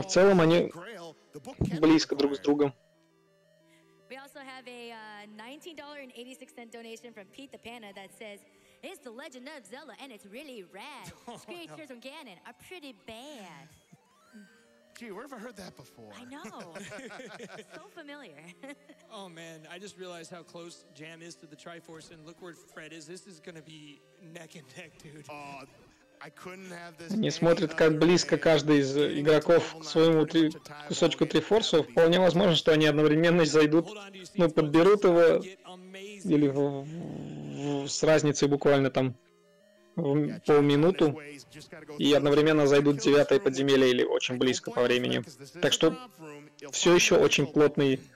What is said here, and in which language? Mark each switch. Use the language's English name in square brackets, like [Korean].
[Russian] в целом они близко друг с другом. [English] We also have a $19.86 donation from Pete the Panda that says, it's the legend of Zelda and it's really rad. Creatures from Ganon are pretty bad. Gee, where have I heard that before? I know. So familiar. Oh, man. I just realized how close Jam is to the Triforce, and look where Fred is. This is going to be neck and neck, dude. Oh, I couldn't have this... [Russian] Не смотрит, как близко каждый из игроков к своему кусочку Трифорса. Вполне возможно, что они одновременно зайдут, ну, подберут его, или с разницей буквально там... в полминуту, и одновременно зайдут в девятое подземелье или очень близко по времени. Так что все еще очень плотный